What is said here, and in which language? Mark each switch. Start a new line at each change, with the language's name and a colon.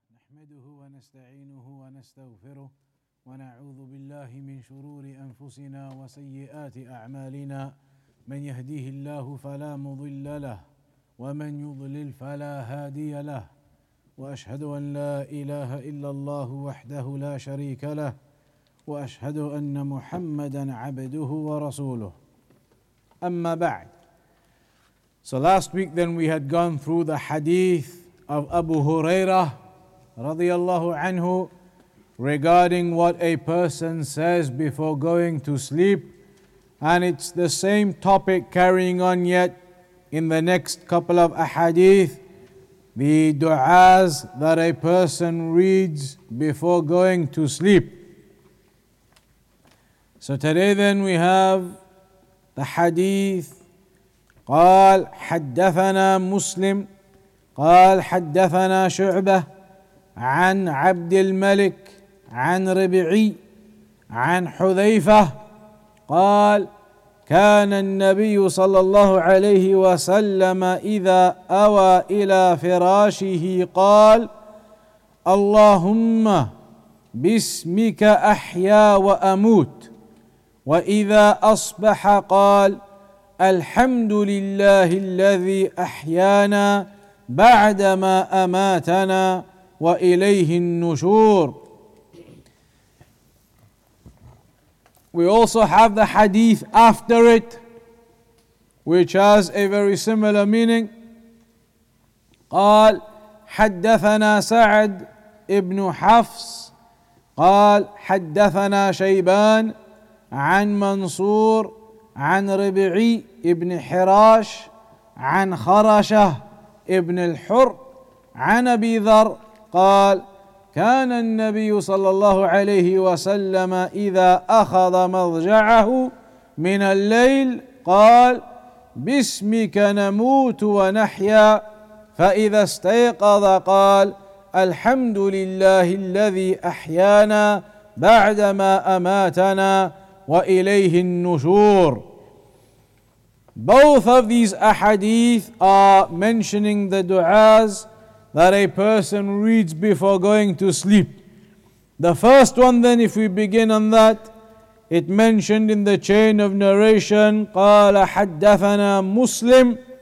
Arabic: نحمده ونستعينه ونستغفره ونعوذ بالله من شرور أنفسنا وسيئات أعمالنا، من يهديه الله فلا مضل له ومن يضلل فلا هادي له، وأشهد أن لا إله إلا الله وحده لا شريك له، وأشهد أن محمدا عبده ورسوله. أما بعد.
English: So last week then we had gone through the hadith of Abu Hurairah radiyallahu anhu regarding what a person says before going to sleep, and it's the same topic carrying on yet in the next couple of ahadith, the du'as that a person reads before going to sleep. So today then we have the hadith.
Arabic: قال حدثنا مسلم قال حدثنا شعبة عن عبد الملك عن ربعي عن حذيفة قال كان النبي صلى الله عليه وسلم إذا أوى إلى فراشه قال اللهم باسمك أحيا وأموت، وإذا أصبح قال الحمد لله الذي أحيانا بعدما أماتنا وَإِلَيْهِ النُّشُورِ.
English: We also have the hadith after it, which has a very similar meaning.
Arabic: قال حدثنا سعد ابن حفص قال حدثنا شيبان عن منصور عن ربعي ابن حراش عن خرشة ابن الحر عن أبي ذر قال كان النبي صلى الله عليه وسلم إذا أخذ مضجعه من الليل قال باسمك نموت ونحيا، فإذا استيقظ قال الحمد لله الذي أحيانا بعدما أماتنا وإليه النشور.
English: Both of these ahadith are mentioning the du'as that a person reads before going to sleep. The first one then, if we begin on that, it mentioned in the chain of narration,
Arabic: قَالَ حَدَّفَنَا مُسْلِمٌ.